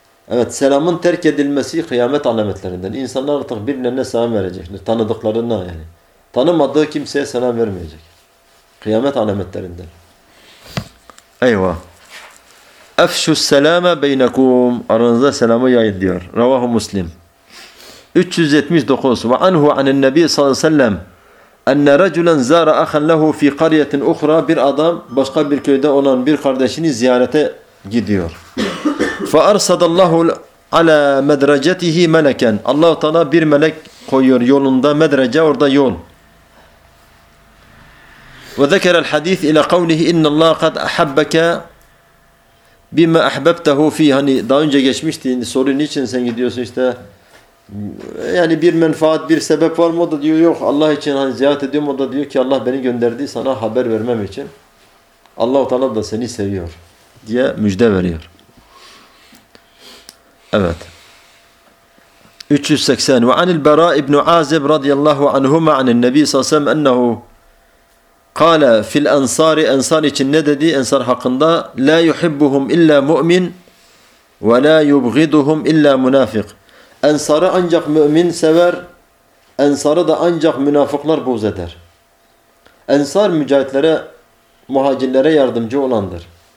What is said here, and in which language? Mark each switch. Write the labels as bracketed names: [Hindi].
[Turkish] Evet, selamın terk edilmesi kıyamet alametlerinden. İnsanlar artık birilerine selam verecekler, tanıdıklarına yani. Tanımadığı kimseye selam vermeyecek. Kıyamet alametlerinden. Eyvah. [Arabic] اَفْشُ السَّلَامَ بَيْنَكُمْ [Turkish] Aranızda selamı yayın diyor. Ravahu Muslim. [Arabic] 379 وَاَنْهُ عَنِ النَّبِيَ صَلَى سَلَّمْ اَنَّ رَجُلًا زَارَ اَخًا لَهُ فِي قَرْيَةٍ اُخْرَى [Turkish] Bir adam başka bir köyde olan bir kardeşini ziyarete gidiyor. [Arabic] فَاَرْسَدَ اللّٰهُ عَلَى مَدْرَجَتِهِ مَلَكًا [Turkish] Allah-u Teala bir melek koyuyor yolunda, medrece, orada yol. [Arabic] وَذَكَرَ الْحَدِيثِ اِلَى قَوْلِهِ اِنَّ اللّٰهَ قَدْ اَحَبَّكَ بِمَا اَحْبَبْتَهُ فِي [Turkish] Hani daha önce geçmişti, soru niçin sen gidiyorsun işte. Yani bir menfaat, bir sebep var mı? O da diyor yok, Allah için hani ziyaret ediyorum. O da diyor ki Allah beni gönderdi sana haber vermem için. Allah-u Teala da seni seviyor diye müjde veriyor. Evet. [Arabic] 380 وَعَنِ الْبَرَاءِ اِبْنُ عَازِبِ رَضِيَ اللّٰهُ عَنْهُمَ عَنِ النَّبِيِّ صَلَى اللّٰهُ اَنَّهُ قَالَ فِي الْاَنْصَارِ [Turkish] Ensar için ne dedi? Ensar hakkında [Arabic] لَا يُحِبُّهُمْ اِلَّا مُؤْمِنْ وَلَا يُبْغِدُهُمْ اِلَّا مُنَافِقْ [Turkish] Ensarı ancak mümin sever, ensarı da ancak münafıklar buğz eder. Ensar mücahitlere, muhacirlere yardımcı olandır.